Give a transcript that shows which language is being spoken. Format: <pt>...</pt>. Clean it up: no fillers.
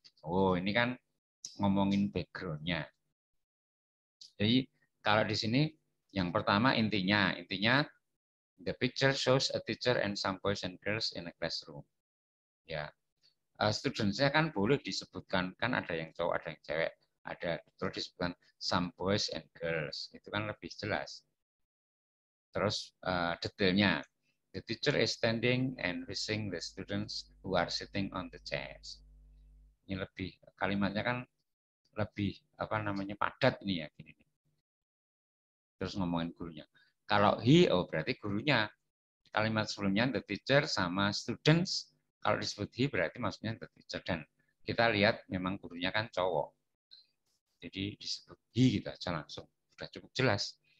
<id>Oh, ini kan ngomongin background-nya. Jadi, kalau di sini, yang pertama intinya,</id> <en>the picture shows a teacher and some boys and girls in a classroom.</en> <id>Ya, student-nya kan boleh disebutkan, kan ada yang cowok, ada yang cewek, ada terus disebutkan some boys and girls. Itu kan lebih jelas.</id> <en>Terus detailnya, the teacher is standing and facing the students who are sitting on the chairs.</en> <id>Ini lebih, kalimatnya kan lebih padat ini ya. Gini. Terus ngomongin gurunya. Kalau he, oh berarti gurunya. Kalimat sebelumnya, the teacher sama students. Kalau disebut he, berarti maksudnya the teacher. Dan kita lihat memang gurunya kan cowok. Jadi disebut he gitu aja langsung. Sudah cukup jelas.</id>